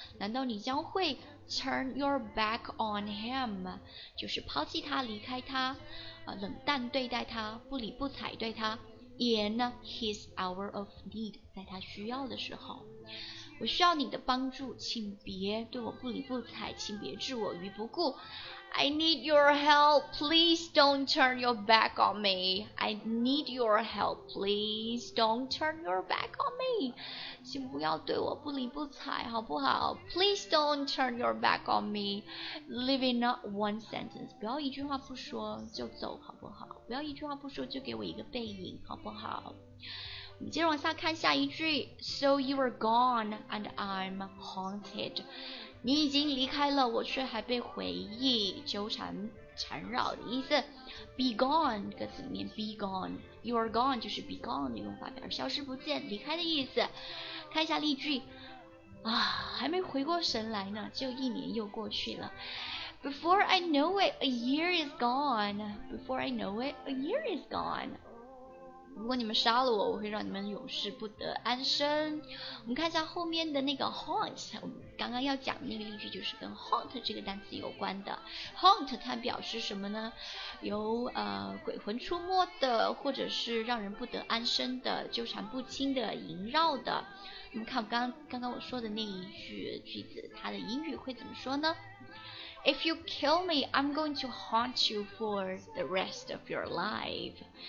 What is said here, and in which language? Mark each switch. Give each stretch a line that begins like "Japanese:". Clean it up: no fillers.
Chinese: 难道你将会
English: turn your back on him?
Chinese: 就是抛弃他离开他冷淡对待他不理不睬对他
English: in his hour of need
Chinese: 在他需要的时候我需要你的帮助，请别对我不理不睬，请别置我于不顾。
English: I need your help, please don't turn your back on me. I need your help, please don't turn your back on me.
Chinese: 请不要对我不理不睬，好不好？
English: Please don't turn your back on me. Leave it not one sentence.
Chinese: 不要一句话不说就走，好不好？不要一句话不说就给我一个背影，好不好？我们接着往下看下一句。
English: So you are gone and I'm haunted.
Chinese: 你已经离开了，我却还被回忆纠缠缠绕的意思。 Be gone 这个词里面 be gone， you are gone 就是 be gone 的用法，表示消失不见、离开的意思。看一下例句，啊，还没回过神来呢，就一年又过去了。
English: Before I know it, a year is gone. Before I know it, a year is gone.
Chinese: 如果你们杀了我，我会让你们永世不得安身。我们看一下后面的那个 haunt， 我们刚刚要讲的那个例句就是跟 haunt 这个单词有关的。 haunt 它表示什么呢？由鬼魂出没的，或者是让人不得安身的，纠缠不清的，萦绕的。我们看刚刚我说的那一句句子，它的英语会怎么说呢？
English: If you kill me, I'm going to haunt you for the rest of your life.